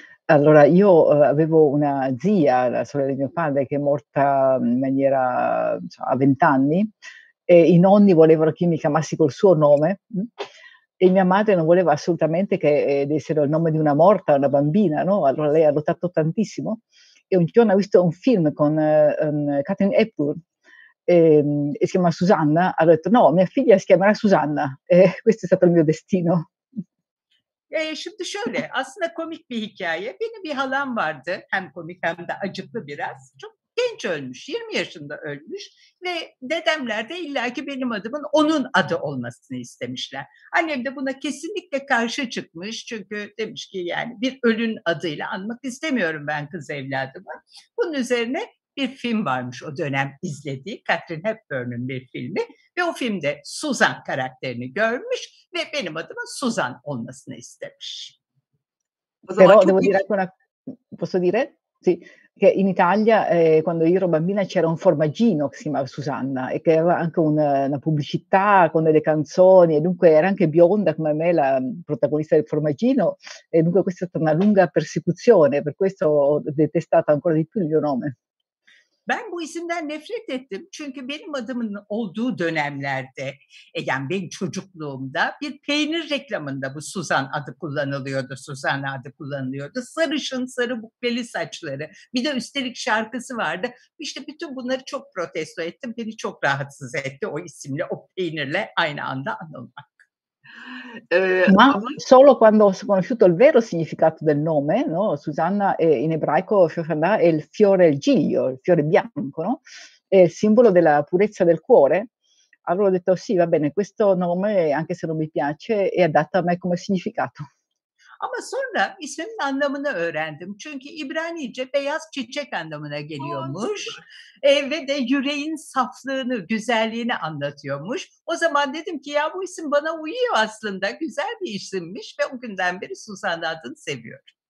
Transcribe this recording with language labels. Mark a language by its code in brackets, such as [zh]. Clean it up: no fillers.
[tr] Allora, io avevo una zia, la sorella di mio padre, che è morta in maniera, a 20 anni, e i nonni volevano che mi chiamassi col suo nome, e mia madre non voleva assolutamente che dessero il nome di una morta, una bambina, no? Allora lei ha lottato tantissimo, e un giorno ha visto un film con Katharine Hepburn, e si chiama Susanna, ha detto no, mia figlia si chiamerà Susanna, e questo è stato il mio destino. Şimdi şöyle, aslında komik bir hikaye. Benim bir halam vardı, hem komik hem de acıklı biraz. Çok genç ölmüş, 20 yaşında ölmüş ve dedemler de illaki benim adımın onun adı olmasını istemişler. Annem de buna kesinlikle karşı çıkmış, çünkü demiş ki yani bir ölün adıyla anmak istemiyorum ben kız evladımı. Bunun üzerine bir film varmış o dönem izlediği, Katharine Hepburn'un bir filmi. Ve o filmde Susan karakterini görmüş ve benim adıma Susan olmasını istemiş. O zaman [it] Però devo dire una, posso dire? Sì, che in Italia quando io ero bambina c'era un formaggino che si chiamava Susanna e che aveva anche una pubblicità con delle canzoni, e dunque era anche bionda come me, la protagonista del formaggino, e dunque questa è stata una lunga persecuzione, per questo ho detestato ancora di più il mio nome. [tr] Ben bu isimden nefret ettim, çünkü benim adımın olduğu dönemlerde, yani benim çocukluğumda bir peynir reklamında bu Susan adı kullanılıyordu, Susan adı kullanılıyordu. Sarışın, sarı bukleli saçları, bir de üstelik şarkısı vardı. İşte bütün bunları çok protesto ettim, beni çok rahatsız etti o isimle, o peynirle aynı anda anılmak. [it] Ma solo quando ho conosciuto il vero significato del nome, no? Susanna in ebraico Shoshana è il fiore, il giglio, il fiore bianco, no? È il simbolo della purezza del cuore. Allora ho detto sì, va bene, questo nome, anche se non mi piace, è adatto a me come significato. [tr] Ama sonra isminin anlamını öğrendim. Çünkü İbranice beyaz çiçek anlamına geliyormuş. Ve de yüreğin saflığını, güzelliğini anlatıyormuş. O zaman dedim ki ya bu isim bana uyuyor aslında. Güzel bir isimmiş ve o günden beri Susan adını seviyorum.